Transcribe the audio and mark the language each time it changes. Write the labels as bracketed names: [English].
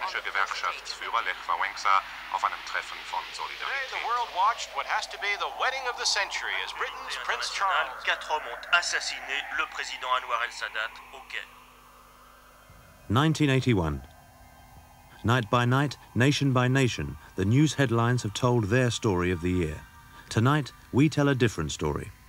[German] Die polnische Gewerkschaftsführer Lech Wałęsa auf einem Treffen von Solidarität. [English] Today the world watched what has to be the wedding of the century as Britain's Prince Charles. [French] Quatre hommes ont assassiné le président Anwar El Sadat au Caire. [English] 1981. Night by night, nation by nation, the news headlines have told their story of the year. Tonight, we tell a different story.